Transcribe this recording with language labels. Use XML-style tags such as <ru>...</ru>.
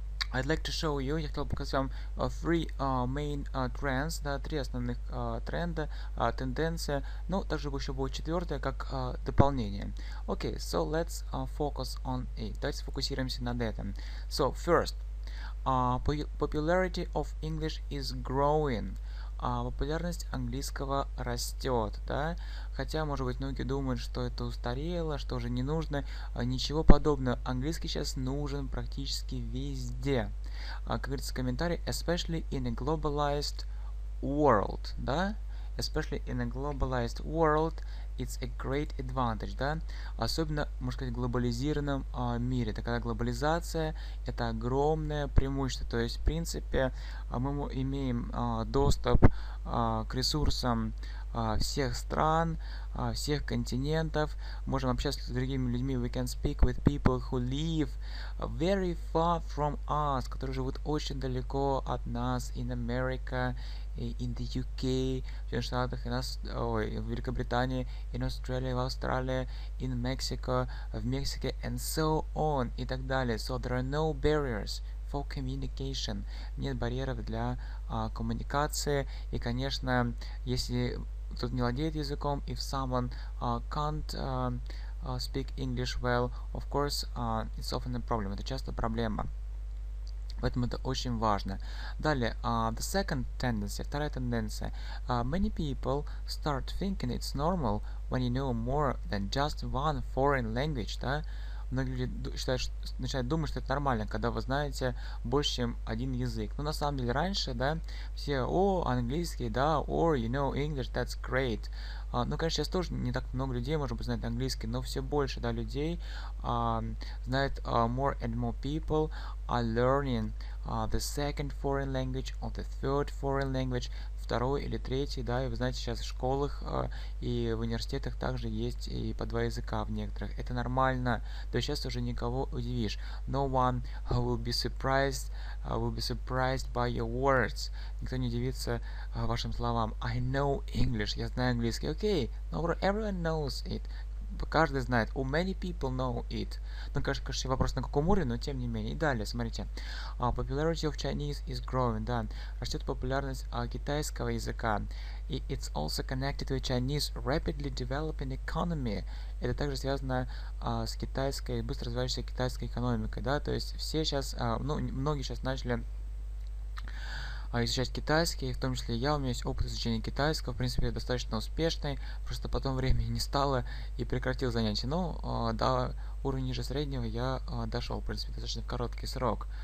<en>I'd like to show you,</en> <ru>я хотел показать вам</ru> <en>three main trends,</en> <ru>да, три основных тренда, тенденция, ну, также еще будет четвертая, как дополнение.</ru> <en>Okay, so let's focus on it.</en> <ru>Давайте сфокусируемся над этом.</ru> <en>So, first, popularity of English is growing.</en> <ru>Популярность английского растет, да? Хотя, может быть, многие думают, что это устарело, что уже не нужно. Ничего подобного. Английский сейчас нужен практически везде. Как говорится в комментарии,</ru> <en>especially in a globalized world,</en> <ru>да?</ru> <en>Especially in a globalized world, it's a great advantage, да?</en> <ru>Особенно, можно сказать, в глобализированном мире. Это когда глобализация – это огромное преимущество. То есть, в принципе, мы имеем доступ к ресурсам всех стран, всех континентов. Можем общаться с другими людьми.</ru> <en>We can speak with people who live very far from us,</en> <ru>которые живут очень далеко от нас,</ru> <en>in America, in the UK,</en> <ru>в Соединенных Штатах, в Великобритании,</ru> <en>in Australia,</en> <ru>в Австралии,</ru> <en>in Mexico,</en> <ru>в Мексике,</ru> <en>and so on,</en> <ru>и так далее.</ru> <en>So there are no barriers for communication.</en> <ru>Нет барьеров для коммуникации. И, конечно, если кто-то не владеет языком,</ru> <en>if someone can't speak English well, of course, it's often a problem.</en> <ru>Это часто проблема. Поэтому это очень важно. Далее,</ru> <en>the second tendency,</en> <ru>вторая тенденция.</ru> <en>Many people start thinking it's normal when you know more than just one foreign language, да?</en> <ru>Многие люди начинают думать, что это нормально, когда вы знаете больше, чем один язык. Но на самом деле раньше, да, все, английский, да,</ru> <en>or you know English, that's great.</en> <ru>Ну, конечно, сейчас тоже не так много людей, может быть, знают английский, но все больше, да, людей знают</ru> <en>more and more people are learning the second foreign language</en> <ru>or the third foreign language, второй или третий, да, и вы знаете, сейчас в школах и в университетах также есть и по два языка в некоторых. Это нормально, то есть сейчас уже никого удивишь.</ru> <en>No one will be surprised by your words.</en> <ru>Никто не удивится вашим словам.</ru> <en>I know English,</en> <ru>я знаю английский.</ru> <en>Okay, no, everyone knows it.</en> <ru>Каждый знает.</ru> <en>Oh, many people know it.</en> <ru>Ну, конечно, вопрос на каком уровне, но тем не менее. И далее, смотрите.</ru> <en>Popularity of Chinese is growing, да.</en> <ru>Растет популярность китайского языка.</ru> <en>И it's also connected with Chinese rapidly developing economy.</en> <ru>Это также связано с китайской, быстро развивающейся китайской экономикой, да. То есть все сейчас, многие сейчас начали изучать китайский, в том числе я, у меня есть опыт изучения китайского, в принципе, достаточно успешный, просто потом времени не стало и прекратил занятия, но до уровня ниже среднего я дошел, в принципе, достаточно в короткий срок.</ru>